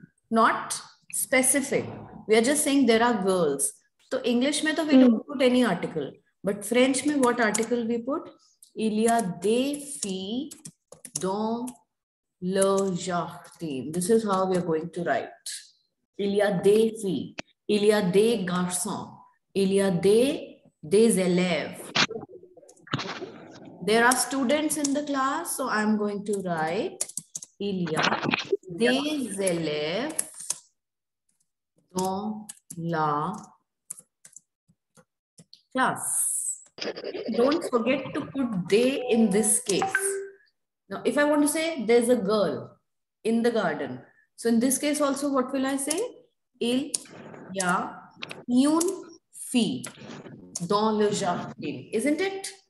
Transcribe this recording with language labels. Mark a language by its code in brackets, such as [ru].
[en] Not specific. We are just saying there are girls. So English [hi] mein toh [en] we don't put any article, but French [hi] mein [en] what article we put? [fr] Il y a des filles dans le jardin. [en] This is how we are going to write. [fr] Il y a des filles. Il y a des garçons. Il y a des élèves. [en] There are students in the class, so I'm going to write [fr] il y a des élèves dans la class. [en] Don't forget to put des in this case. Now, if I want to say there's a girl in the garden, so in this case also, what will I say? [fr] Il y a une fille dans le jardin, [en] isn't it?